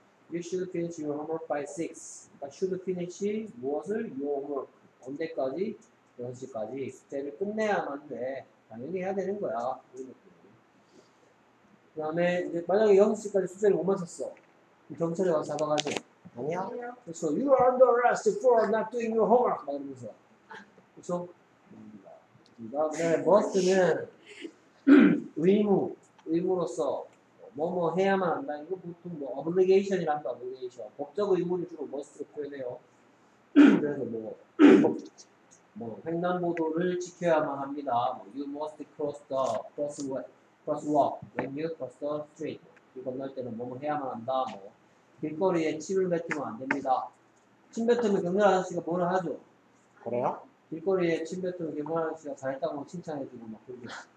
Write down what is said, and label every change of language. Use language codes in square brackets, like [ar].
[en] You should finish your homework by 6. [ko] 그러니까 [en] should finish [ko] 무엇을? [en] Your homework. [ko] 언제까지? 6시까지. 그때를 끝내야만 돼. 당연히 해야 되는 거야. 그 다음에 만약에 6시까지 숙제를 못 마쳤어. 경찰에 가서 잡아가지. 아니야. 그래서 [en] You are under arrest for not doing your homework. [ko] 막 이러면서. 그쵸? 그다음에 must는 의무. 의무로서 뭐뭐 해야만 한다. 이거 보통 뭐 obligation이란다. obligation 법적 의무를 주로 must로 표현해요. 그래서 뭐 횡단보도를 지켜야만 합니다. [en] 뭐, you must cross the crosswalk when you cross the street. [ko] 길 건널 때는 뭐뭐 해야만 한다. 뭐 길거리에 침을 뱉으면 안 됩니다. 침 뱉으면 경찰 아저씨가 뭐를 하죠? 그래요? 길거리에 침 뱉으면 경찰 아저씨가 잘했다고 칭찬해주고 막 그러죠.